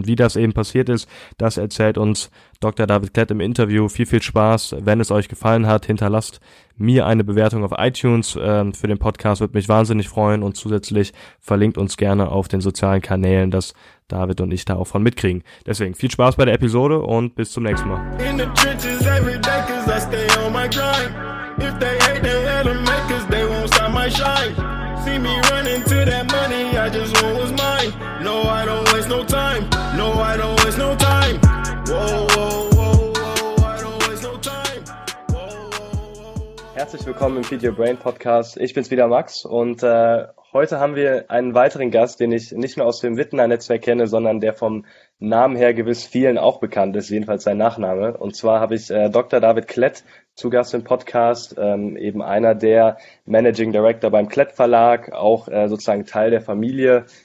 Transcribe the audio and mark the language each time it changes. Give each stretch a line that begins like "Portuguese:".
German: Und wie das eben passiert ist, das erzählt uns Dr. David Klett im Interview. Viel, viel Spaß. Wenn es euch gefallen hat, hinterlasst mir eine Bewertung auf iTunes für den Podcast. Würde mich wahnsinnig freuen. Und zusätzlich verlinkt uns gerne auf den sozialen Kanälen, dass David und ich da auch von mitkriegen. Deswegen viel Spaß bei der Episode und bis zum nächsten Mal.
English: In the trenches every day, 'cause I stay on my grind. If they hate, they had to make, 'cause they won't stop my shine. See me running to that money, I just want what's mine. No, I don't waste no time. No, I don't waste no time. Whoa, whoa, whoa, whoa, I don't waste no time. Whoa, whoa, whoa.
German: Herzlich willkommen im Feed Your Brain Podcast. Ich bin's wieder, Max, und heute haben wir einen weiteren Gast, den ich nicht mehr aus dem Wittener-Netzwerk kenne, sondern der vom Namen her gewiss vielen auch bekannt ist, jedenfalls sein Nachname. Und zwar habe ich Dr. David Klett zu Gast im Podcast, eben einer der Managing Director beim Klett Verlag, auch sozusagen Teil der Familie.